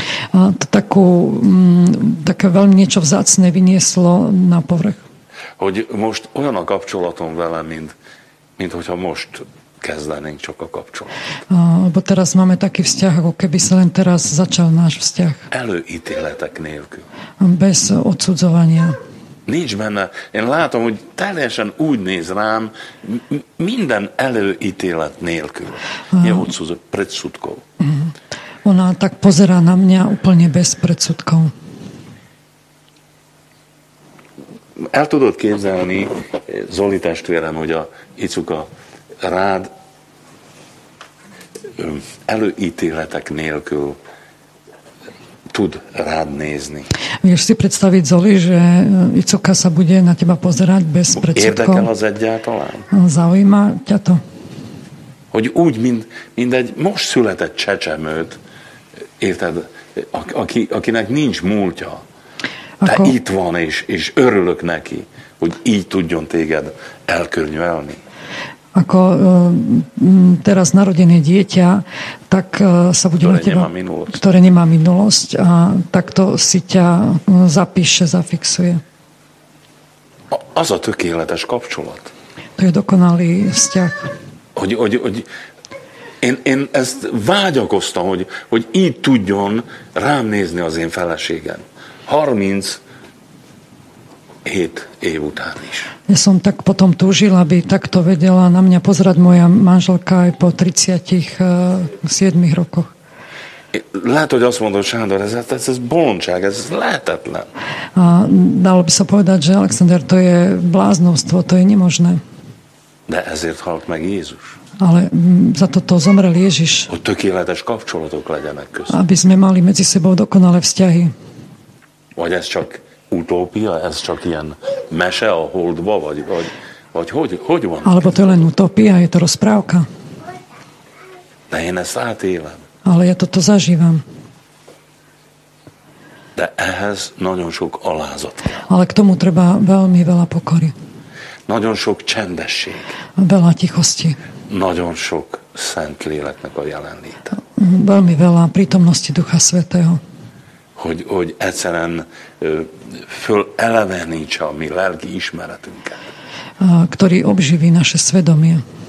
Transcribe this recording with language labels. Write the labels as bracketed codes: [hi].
[sk] A to také veľmi niečo vzácne vynieslo na povrch. [hu] Hogy most olyan a kapcsolatom vele, mint hogyha most kezdenénk csak a kapcsolatot. [sk] Bo teraz máme taký vzťah, ako keby sa len teraz začal náš vzťah. [hu] Előítéletek nélkül. [sk] Bez odsudzovania. [hu] Nincs benne. Én látom, hogy teljesen úgy néz rám, minden előítélet nélkül. [sk] Je odsudzó, predsudkov. Ona tak pozerá na mňa úplne bez predsudkov. [hu] El tudod képzelni, Zoli testvérem, hogy a Icuka rád előítéletek nélkül tud rád nézni. [sk] Vieš si predstaviť, Zoli, že Icuka sa bude na teba pozerať bez predsudkov? [hu] Érdekel az egyáltalán? [sk] Zaujíma ťa to? [hu] Hogy úgy, mint egy most született csecsemőt, érted, akinek nincs múltja. Te ako, itt van, és örülök neki, hogy így tudjon téged elkörnyelni. [sk] Ako teraz narodené dieťa, tak sa bude ktoré na teba, nemá ktoré nemá minulosť, a takto si ťa zapíše, zafixuje. [hu] Az a tökéletes kapcsolat. [sk] To je dokonalý vzťah. [hu] Hogy én ezt vágyakoztam, hogy így tudjon rám nézni az én feleségem. 37 év után is. [sk] Ja som tak potom túžil, aby takto vedela na mňa pozerať moja manželka aj po 37 rokoch. [hu] Lehet, hogy azt mondod, Sándor, ez bolondság, ez lehetetlen. [sk] A dalo by sa povedať, že Alexander, to je bláznostvo, to je nemožné. [hu] De ezért halt meg Jézus. [sk] Ale za toto zomrel Ježiš. [hu] Hogy tökéletes kapcsolatok legyenek között. [sk] Aby sme mali medzi sebou dokonale vzťahy. [hu] Vagy ez csak utópia, ez csak ilyen mese a holdba, vagy hogy van? [sk] Alebo to je len utópia, je to rozprávka. [hu] De én ezt átélem. [sk] Ale ja toto zažívam. [hu] De ehhez nagyon sok alázat. [sk] Ale k tomu treba veľmi veľa pokory. [hu] Nagyon sok csendesség. [sk] Veľa tichosti. [hu] Nagyon sok szent léleknek a jelenléte. [sk] Veľmi veľa prítomnosti Ducha Svätého. [hu] Hogy egyszerűen fölelevenítse a mi lelki ismeretünket. [sk] Ktorý obživí naše svedomie.